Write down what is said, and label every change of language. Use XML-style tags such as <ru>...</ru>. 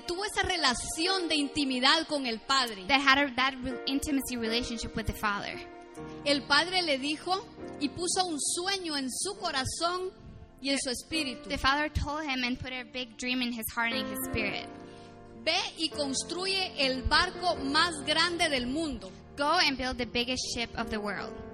<es>tuvo esa relación de intimidad con el Padre.</es> <en>That had that intimacy relationship with the Father.</en> <es>El Padre le dijo y puso un sueño en su corazón y en su espíritu.</es> <en>The Father told him and put a big dream in his heart and in his spirit.</en> <es>ve y construye el barco más grande del mundo.</es> <en>Go and build the biggest ship of the world.</en>